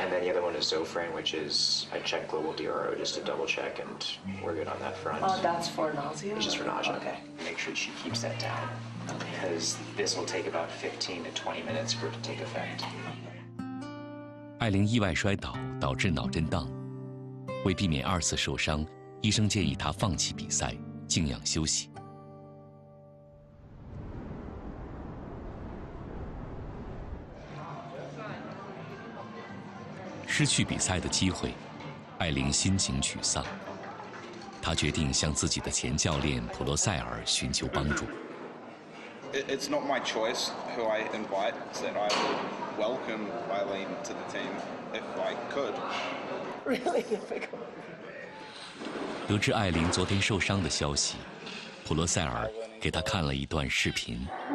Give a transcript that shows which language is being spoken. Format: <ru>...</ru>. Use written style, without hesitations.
<en>And then the other one is Zofran, which is, I checked Global DRO just to double check, and we're good on that front. Oh, that's for nausea? It's just for nausea. Okay. Make sure she keeps that down. Okay. Because this will take about 15 to 20 minutes for it to take effect.</en> <zh>艾琳意外摔倒，导致脑震荡。为避免二次受伤，医生建议她放弃比赛，静养休息。失去比赛的机会，艾琳心情沮丧。她决定向自己的前教练普罗塞尔寻求帮助。</zh> <en>It's not my choice who I invite. That I would welcome Eileen to the team if I could. Really difficult.</en> <zh>得知艾琳昨天受伤的消息，普罗塞尔给她看了一段视频。</zh>